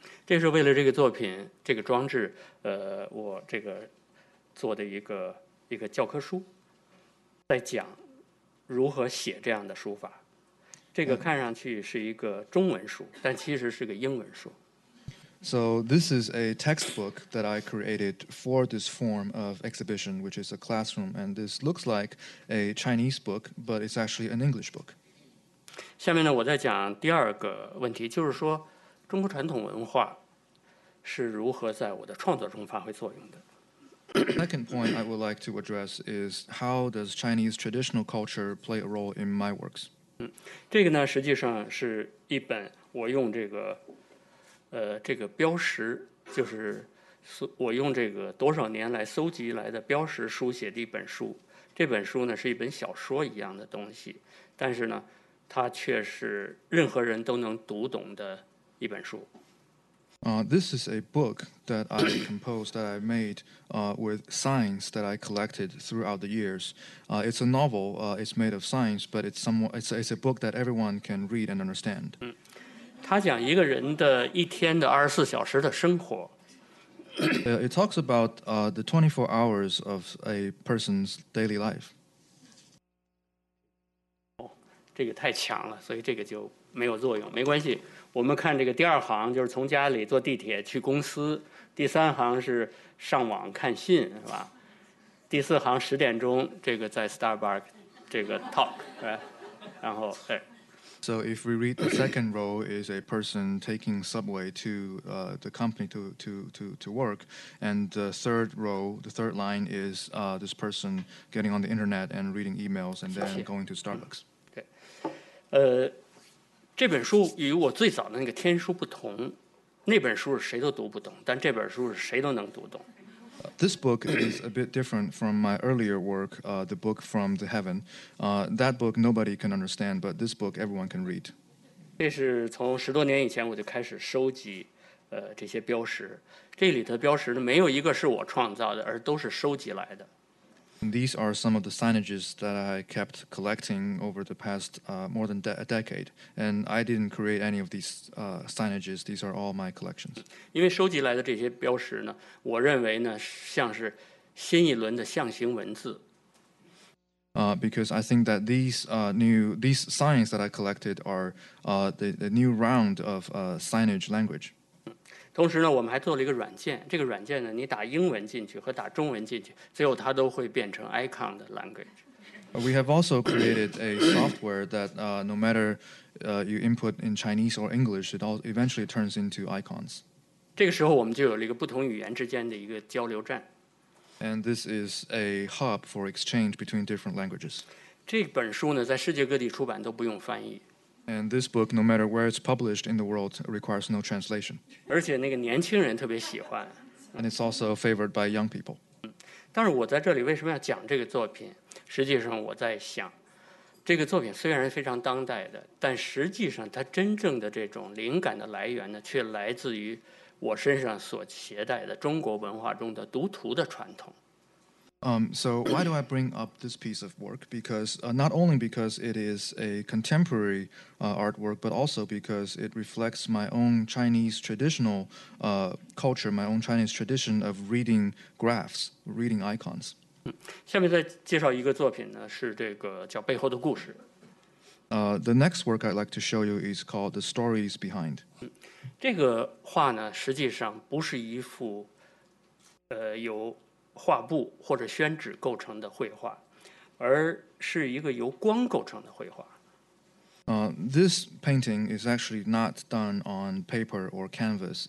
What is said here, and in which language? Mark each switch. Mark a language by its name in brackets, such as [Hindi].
[Chinese] 这是为了这个作品，这个装置，我这个做的一个教科书。在讲如何写这样的书法，这个看上去是一个中文书，但其实是个英文书。 [English] So this is a textbook that I created for this form of exhibition, which is a classroom, and this looks like a Chinese book, but it's actually an English book. [Chinese] 下面呢，我再讲第二个问题，就是说中国传统文化是如何在我的创作中发挥作用的。 [English] Second point I would like to address is how does Chinese traditional culture play a role in my works? [Chinese] 这个呢，实际上是一本我用这个标识，就是我用这个多少年来搜集来的标识书写的一本书。这本书呢，是一本小说一样的东西，但是呢，它却是任何人都能读懂的一本书。 [English] This is a book that I composed, that I made with signs that I collected throughout the years. It's a novel, it's made of signs, but it's a book that everyone can read and understand. [Chinese] 它讲一个人的一天的24小时的生活。 [English] It talks about the 24 hours of a person's daily life. [Chinese] 这个太强了，所以这个就没有作用，没关系。我们看这个第二行，就是从家里坐地铁去公司，第三行是上网看信，是吧？第四行十点钟这个在 Starbucks 这个 talk， 对，然后对。 [English] So if we read the second row is a person taking subway to the company to work, and the third row, the third line is this person getting on the internet and reading emails and then going to Starbucks. [Chinese] 对，这本书与我最早的那个天书不同，那本书是谁都读不懂，但这本书是谁都能读懂。 [English] This book is a bit different from my earlier work, the book from the heaven. That book nobody can understand, but this book everyone can read. [Chinese] 这是从十多年以前我就开始收集，这些标识。这里的标识没有一个是我创造的，而都是收集来的。 [English] These are some of the signages that I kept collecting over the past more than a decade. And I didn't create any of these signages. These are all my collections. [Chinese] 因为收集来的这些标识呢，我认为呢，像是新一轮的象形文字。 [English] Because I think that these signs that I collected are the new round of signage language. [Chinese] 同时呢，我们还做了一个软件。这个软件呢，你打英文进去和打中文进去，最后它都会变成 icon 的 language。 [English] We have also created a software that no matter you input in Chinese or English, it all eventually turns into icons. [Chinese] 这个时候我们就有了一个不同语言之间的一个交流站。 [English] And this is a hub for exchange between different languages. [Chinese] 这本书呢，在世界各地出版都不用翻译。 [English] And this book, no matter where it's published in the world, requires no translation. [Chinese] 而且那个年轻人特别喜欢。 [English] And it's also favored by young people. [Chinese] 但是我在这里为什么要讲这个作品？实际上我在想，这个作品虽然非常当代的，但实际上它真正的这种灵感的来源呢，却来自于我身上所携带的中国文化中的读图的传统。 [English] So why do I bring up this piece of work? Because not only because it is a contemporary artwork, but also because it reflects my own Chinese traditional culture, my own Chinese tradition of reading graphs, reading icons. [Chinese] 下面再介绍一个作品呢，是这个叫《背后的故事》。 [English] The next work I'd like to show you is called The Stories Behind. [Chinese] 这个画呢，实际上不是一幅由画布或者宣纸构成的绘画，而是一个由光构成的绘画。 [English] This painting is actually not done on paper or canvas.